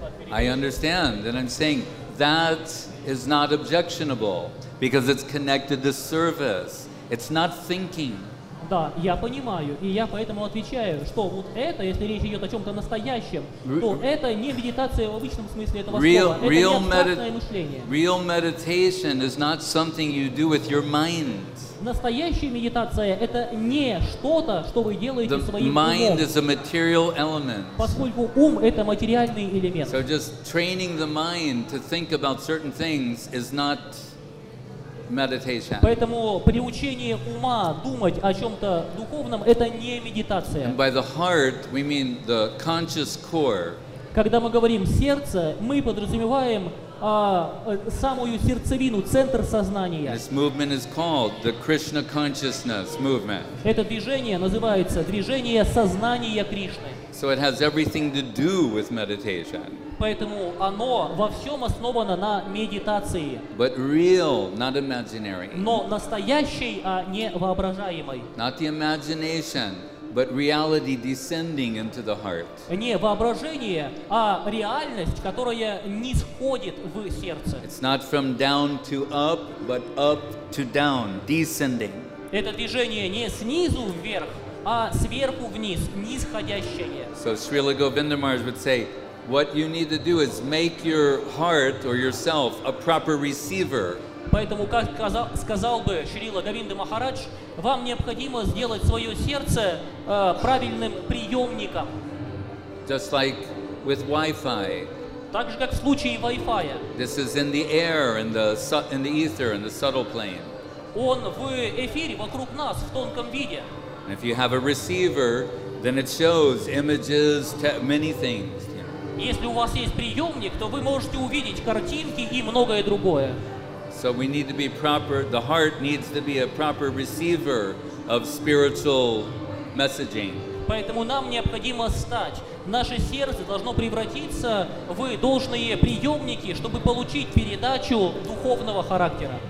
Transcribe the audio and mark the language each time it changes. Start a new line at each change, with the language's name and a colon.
English: I understand, and I'm saying that is not objectionable because it's connected to service. It's not thinking.
Russian: Да, я понимаю, и я поэтому отвечаю, что вот это, если речь идет о чем-то настоящем, то это не медитация в обычном смысле этого слова.
English: Real,
Russian: это не абстрактное мышление.
English: Real meditation is not something you do with your mind.
Russian: Настоящая медитация — это не что-то, что вы делаете
English: the
Russian: своим
English: mind
Russian: умом.
English: Is a material element.
Russian: Поскольку ум — это материальный элемент.
English: So just training the mind to think about certain things is not meditation.
Russian: Поэтому приучение ума думать о чем-то духовном — это не медитация.
English: And by the heart we mean the conscious core.
Russian: Когда мы говорим сердце, мы подразумеваем самую сердцевину, центр сознания.
English: This movement is called the Krishna consciousness movement.
Russian: Это движение называется движение сознания Кришны.
English: So it has everything to do with meditation.
Russian: Поэтому оно во всем основано на медитации.
English: But real, not imaginary.
Russian: Но настоящей, а не воображаемой.
English: Not the imagination, but reality descending into the heart.
Russian: Не воображение, а реальность, которая нисходит в сердце.
English: It's not from down to up, but up to down, descending.
Russian: Это движение не снизу вверх, а сверху вниз, нисходящее.
English: So Srila Govinda Maharaj would say, what you need to do is make your heart or yourself a proper receiver.
Russian: Поэтому, как сказал бы Шрила Говинда Махарадж, вам необходимо сделать свое сердце правильным приемником.
English: Just like with Wi-Fi.
Russian: Так же, как в случае Wi-Fi.
English: This is in the air, in the ether, in the subtle plane.
Russian: Он в эфире вокруг нас, в тонком виде.
English: And if you have a receiver, then it shows images, many things.
Russian: Если у вас есть приемник, то вы можете увидеть картинки и многое другое.
English: So we need to be proper, the heart needs to be a proper receiver of spiritual messaging.
Russian: Поэтому нам необходимо стать, наше сердце должно превратиться в должные приемники, чтобы получить передачу духовного характера.